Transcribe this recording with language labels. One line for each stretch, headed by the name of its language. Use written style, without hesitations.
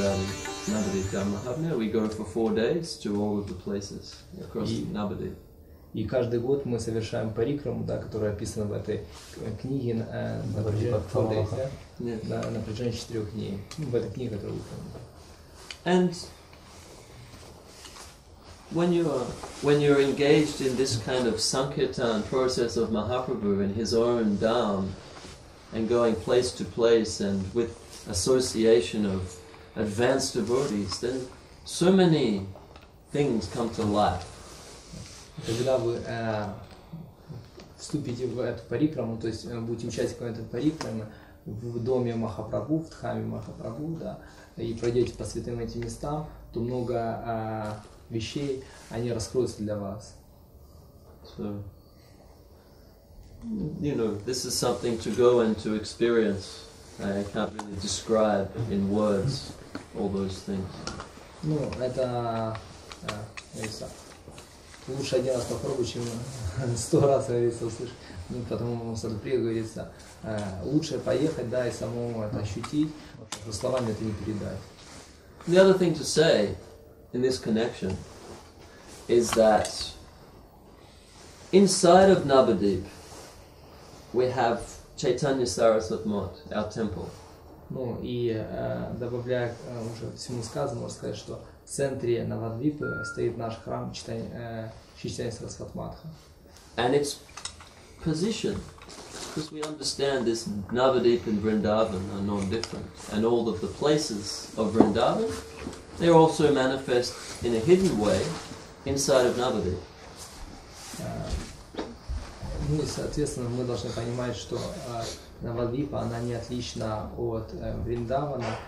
English: 4 days to all of the places across Nabadeep.
Russian: И каждый год мы совершаем парикраму, да, которая описана в этой книге на протяжении 4 дней. В этой книге, которую вы помните.
English: And when you're engaged in this kind of sankirtan process of Mahaprabhu in his own dham, and going place to place and with association of advanced devotees, then so many things come to life.
Russian: Когда вы вступите в эту парикраму, то есть будете участником этой парикрамы в доме Махапрабху, в дхаме Махапрабху, да, и пройдете по святым этим местам, то много вещей, они раскроются для вас.
English: So, you know, this is something to go and to experience. I can't really describe in words all those things.
Russian: Ну, это... лучше один раз попробуй, чем 100 раз, говорится, услышь. Ну, потом в садупре говорится, лучше поехать, да, и самому это ощутить, потому что словами это не передать.
English: The other thing to say in this connection is that inside of Nabadeep we have Chaitanya Sarasvat Mot, our temple.
Russian: Ну, и добавляя уже всему сказанному, можно сказать, что в центре Навадвипы стоит наш храм Чайтанья Сарасвата Матха.
English: And its position, because we understand this Navadvipa and Vrindavan are no different, and all of the places of Vrindavan, they are also manifest in a hidden way inside of Navadvipa.
Russian: Ну и соответственно мы должны понимать, что Навадвипа она не отлична от Вриндавана.